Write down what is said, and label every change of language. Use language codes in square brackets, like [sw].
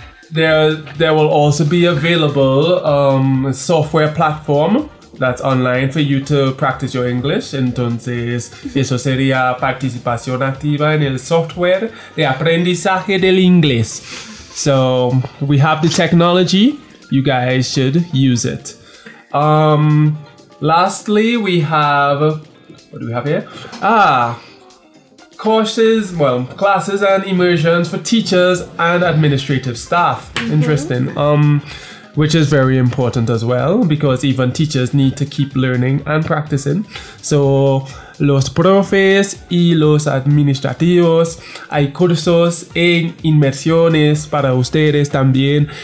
[en] There will also be available a software platform that's online for you to practice your English. [es] Entonces, eso sería participación activa en el software de aprendizaje del inglés. [en] So, we have the technology. You guys should use it. Lastly, we have, what do we have here? Classes and immersions for teachers and administrative staff. Mm-hmm. Interesting. Which is very important as well, because even teachers need to keep learning and practicing. [es] So, los profes y los administrativos, hay cursos e inmersiones para ustedes también.